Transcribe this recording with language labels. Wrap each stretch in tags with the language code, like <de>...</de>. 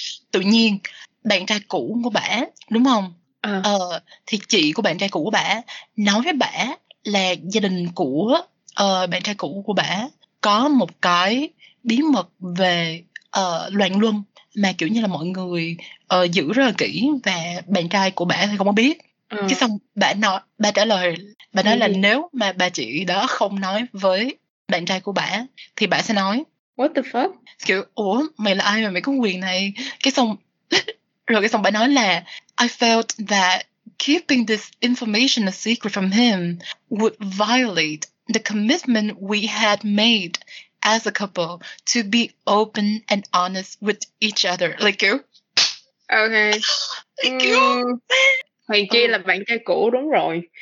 <vi>Tự nhiên bạn trai cũ của bả, đúng không, thì chị của bạn trai cũ của bả nói với bả là gia đình của bạn trai cũ của bả có một cái bí mật về loạn luân mà kiểu như là mọi người giữ rất là kỹ và bạn trai của bả thì không có biết. Cái xong bả nói, bả trả lời, bà nói là nếu mà bà chị đó không nói với bạn trai của bà thì bà sẽ nói</vi> <en>what the fuck,</en> <vi>kiểu ủa mày là ai mà mày có quyền này. Cái xong rồi cái xong bà nói là</vi> <en>I felt that keeping this information a secret from him would violate the commitment we had made as a couple to be open and honest with each other, like you. Okay. Thank you.</en> <vi>Hoàng Chi là bạn trai cũ, đúng rồi.</vi>